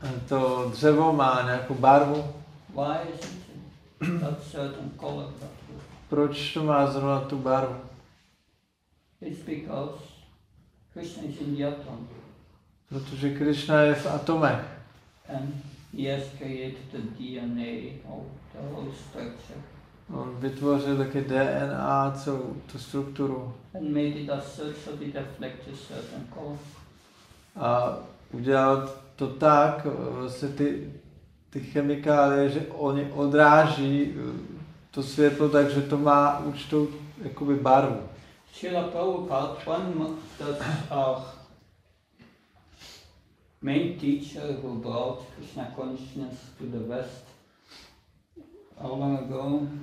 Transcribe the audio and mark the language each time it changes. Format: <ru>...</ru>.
<cs>To dřevo má nějakou barvu.</cs> <en>Why is it that certain color, that wood?</en> <cs>Proč to má zrovna tu barvu?</cs> <en>It's because Krishna is in the atom.</en> <cs>Protože Krishna je v atomech.</cs> <en>And he has created the DNA of the whole structure.</en> <cs>On vytvořil taky DNA, celou tu strukturu.</cs> <en>And made it as such so it reflects a certain color.</en> <cs>A udělal to tak, vlastně ty chemikálie, že oni odráží to světlo tak, že to má určitou jakoby barvu.</cs> <en>Srila Prabhupada, main teacher who brought Krishna consciousness to the West, how long ago?</en>